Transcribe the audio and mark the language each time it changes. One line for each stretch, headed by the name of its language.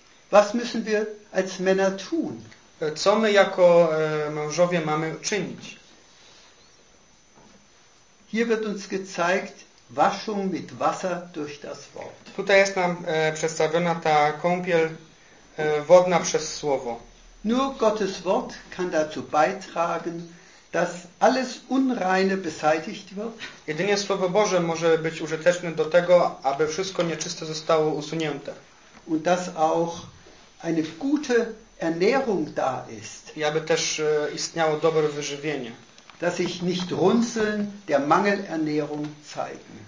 German: Was müssen wir als Männer tun?
Polish: Co my jako mężowie mamy czynić?
German: Hier wird uns gezeigt Waschung mit Wasser durch das Wort.
Polish: Tutaj jest nam przedstawiona ta kąpiel wodna przez słowo.
German: Nur Gottes Wort kann dazu beitragen, dass alles Unreine beseitigt wird.
Polish: Jedynie Słowo Boże może być użyteczne do tego, aby wszystko nieczyste zostało usunięte.
German: Und dass auch eine gute Ernährung da ist.
Polish: I aby też istniało dobre wyżywienie.
German: Dass sich nicht Runzeln der Mangelernährung zeigen.